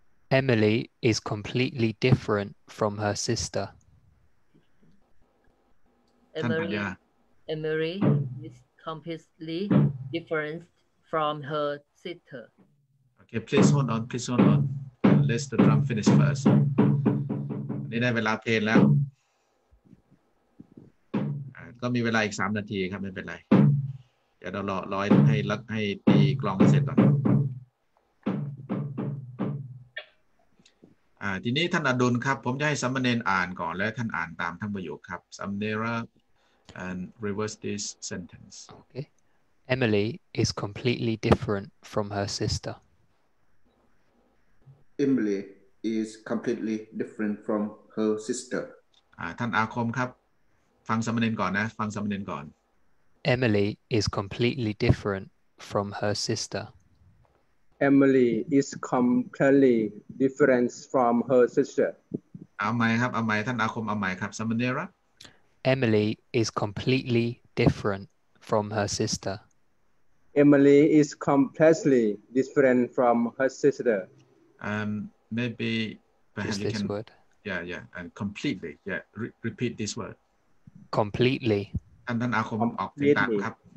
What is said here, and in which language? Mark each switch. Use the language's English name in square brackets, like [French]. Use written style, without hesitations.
[English] Emily is completely different from her sister. Emily is completely different from her sister. Okay, please hold on, please hold on. Let the drum finish first. [Thai] นี่ได้เวลาเพลงแล้วก็มีเวลาอีก3นาทีครับไม่เป็นไรเดี๋ยวเรารอให้ตีกลองเสร็จก่อนทีนี้ท่านอดุลครับผมจะให้สัมมาเนนอ่านก่อนแล้วท่านอ่านตามทั้งประโยคครับสัมมาเนระ [English] and reverse this sentence okay Emily is completely different from her sister Emily is completely different from her sister [Thai] ท่านอาคมครับฟังสัมมาเนนก่อนนะฟังสัมมาเนนก่อน [English] Emily is completely different from her sister Emily is completely different from her sister. [Thai] เอาใหม่ครับเอาใหม่ท่านอาคมเอาใหม่ครับสัมมาเนระ [English] Emily is completely different from her sister. Emily is completely different from her sister. Maybe perhaps just this you can, word. Yeah, yeah, and completely. Yeah, repeat this word. Completely. [Thai] ท่านอาคมออกเสียงต่างครับ